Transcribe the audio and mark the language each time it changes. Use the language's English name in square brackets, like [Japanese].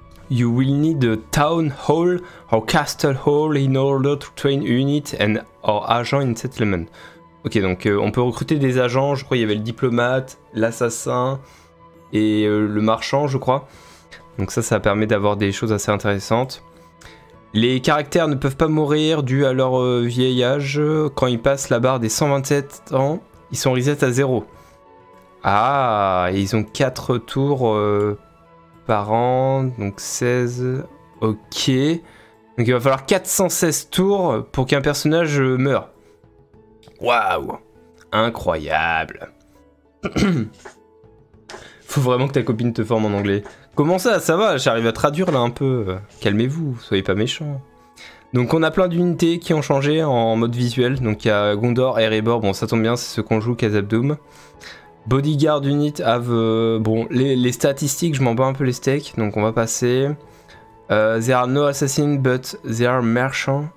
[English] You will need a town hall or castle hall in order to train unit and or agent in settlement. [French] Ok, donc on peut recruter des agents, je crois qu'il y avait le diplomate, l'assassin et le marchand, je crois. Donc ça permet d'avoir des choses assez intéressantes. Les caractères ne peuvent pas mourir dû à leur vieil âge. Quand ils passent la barre des 127 ans, ils sont reset à 0. Ah, ils ont 4 tours... par an, donc 16, ok, donc il va falloir 416 tours pour qu'un personnage meure. Waouh, incroyable. Faut vraiment que ta copine te forme en anglais. Comment ça, ça va, j'arrive à traduire là un peu, calmez-vous, soyez pas méchants. Donc on a plein d'unités qui ont changé en mode visuel, donc il y a Gondor, Erebor, bon ça tombe bien, c'est ce qu'on joue, Khazad-dûm. Bodyguard unit have... bon, les statistiques, je m'en bats un peu les steaks, donc on va passer. [English] There are no assassins, but there are merchants.